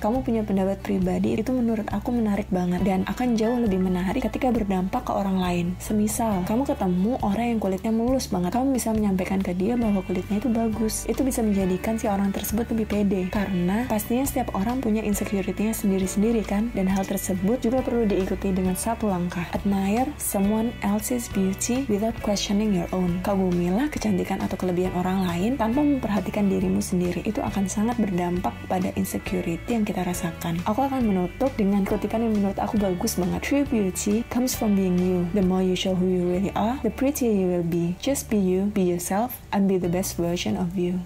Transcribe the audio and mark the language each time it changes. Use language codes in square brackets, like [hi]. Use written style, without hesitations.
[id] Kamu punya pendapat pribadi, itu menurut aku menarik banget. Dan akan jauh lebih menarik ketika berdampak ke orang lain. Semisal, kamu ketemu orang yang kulitnya mulus banget. Kamu bisa menyampaikan ke dia bahwa kulitnya itu bagus. Itu bisa menjadikan si orang tersebut lebih pede. Karena pastinya setiap orang punya insecurity-nya sendiri-sendiri kan? Dan hal tersebut juga perlu diikuti dengan satu langkah. [en] Admire someone else's beauty without questioning your own. [id] Kagumilah kecantikan atau kelebihan orang lain tanpa memperhatikan dirimu sendiri. Itu akan sangat berdampak pada insecurity yang kita rasakan. Aku akan menutup dengan kutipan yang menurut aku bagus banget. [en] True beauty comes from being you. The more you show who you really are, the prettier you will be. Just be you, be yourself, and be the best version of you.